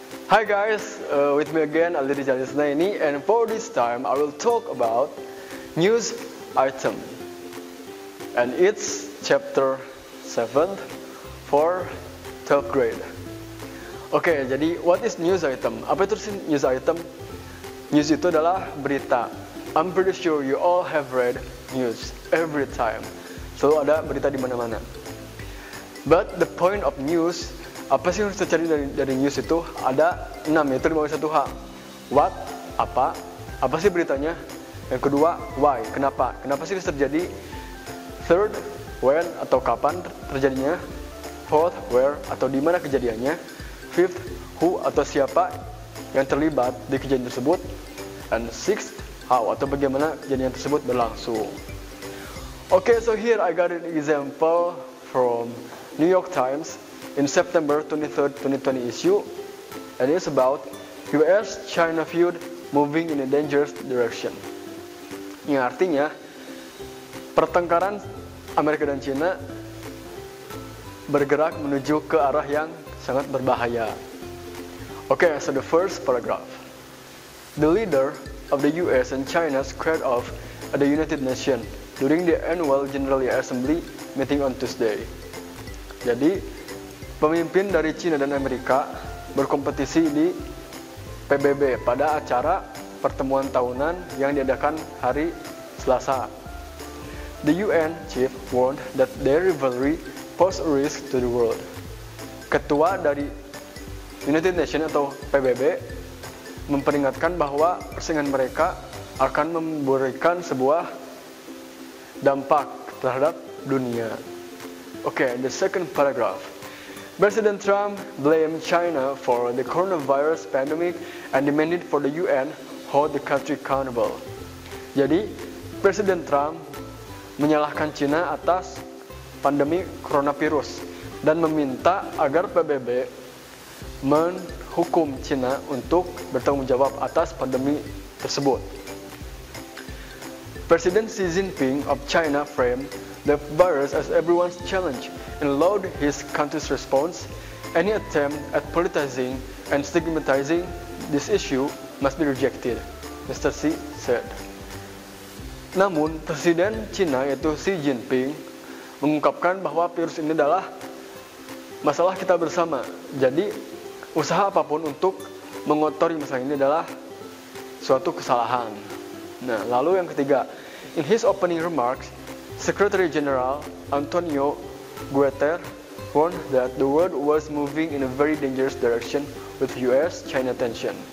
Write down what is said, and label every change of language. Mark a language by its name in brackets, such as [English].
[English] Hi guys, with me again Aldi Jalisnaini, and for this time I will talk about news item and it's chapter 7 for 12th grade. [Indonesian] Okay, jadi [English] what is news item? [Indonesian] Apa itu sih news item? News itu adalah berita. [English] I'm pretty sure you all have read news every time. [Indonesian] Selalu ada berita di mana-mana. [English] But the point of news, [Indonesian] apa sih yang harus dicari dari news itu? Ada 6, yaitu 5-1 H. What, apa, apa sih beritanya? Yang kedua, why, kenapa? Kenapa sih terjadi? [English] Third, when [Indonesian] atau kapan terjadinya? [English] Fourth, where [Indonesian] atau di mana kejadiannya? [English] Fifth, who [Indonesian] atau siapa yang terlibat di kejadian tersebut? [English] And sixth, how [Indonesian] atau bagaimana kejadian tersebut berlangsung? [English] Okay, so here I got an example from New York Times in September 23rd, 2020 issue, and it's about US-China feud moving in a dangerous direction. [Indonesian] Yang artinya, pertengkaran Amerika dan China bergerak menuju ke arah yang sangat berbahaya. [English] Okay, so the first paragraph. The leader of the US and China squared off at the United Nations during the annual General Assembly meeting on Tuesday. [Indonesian] Jadi, pemimpin dari China dan Amerika berkompetisi di PBB pada acara pertemuan tahunan yang diadakan hari Selasa. [English] The UN chief warned that their rivalry posed a risk to the world. [Indonesian] Ketua dari United Nations atau PBB memperingatkan bahwa persaingan mereka akan memberikan sebuah dampak terhadap dunia. [English] Okay, the second paragraph. President Trump blamed China for the coronavirus pandemic and demanded for the UN hold the country accountable. [Indonesian] Jadi, Presiden Trump menyalahkan China atas pandemi coronavirus dan meminta agar PBB menghukum China untuk bertanggung jawab atas pandemi tersebut. [English] President Xi Jinping of China framed the virus as everyone's challenge and lauded his country's response. Any attempt at politicizing and stigmatizing this issue must be rejected, Mr. Xi said. [Indonesian] Namun, Presiden China yaitu Xi Jinping mengungkapkan bahwa virus ini adalah masalah kita bersama. Jadi, usaha apapun untuk mengotori masalah ini adalah suatu kesalahan. Nah, lalu yang ketiga, [English] in his opening remarks, Secretary General Antonio Guterres warned that the world was moving in a very dangerous direction with US-China tension.